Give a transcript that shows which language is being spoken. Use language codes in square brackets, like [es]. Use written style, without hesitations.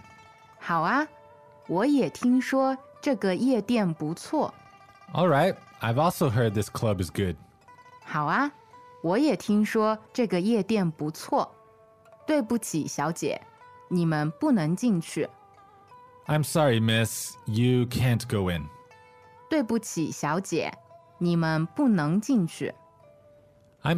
[zh] 好啊，我也听说这个夜店不错。All [en] right, I've also heard this club is good. [zh] 好啊，我也听说这个夜店不错。对不起，小姐。 [en] I'm sorry, miss. You can't go in. [zh] 对不起，小姐，你们不能进去。I'm